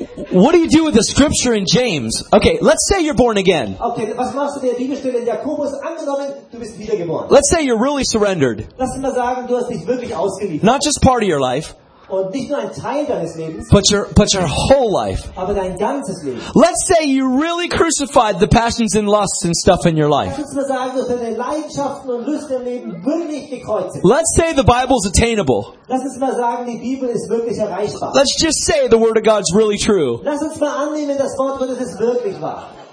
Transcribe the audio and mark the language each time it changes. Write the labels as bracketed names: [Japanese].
[English] What do you do with the scripture in James? Okay, let's say you're born again. [German] Okay, was machst du mit der Bibelstelle in Jakobus? Angenommen, du bist wiedergeboren. [English] Let's say you're really surrendered. [German] Lass mal sagen, du hast dich wirklich ausgeliefert. [English] Not just part of your life. [German] Und nicht nur ein Teil deines Lebens. [English] But your whole life. [German] Aber dein ganzes Leben. [English] Let's say you really crucified the passions and lusts and stuff in your life. [German] Lass uns mal sagen, dass deine Leidenschaften und Lust im Leben wirklich gekreuzigt. [English] Let's say the Bible's attainable. [German] Lass uns mal sagen, die Bibel ist wirklich erreichbar. [English] Let's just say the Word of God's really true. [German] Lass uns mal annehmen, das Wort Gottes ist wirklich wahr.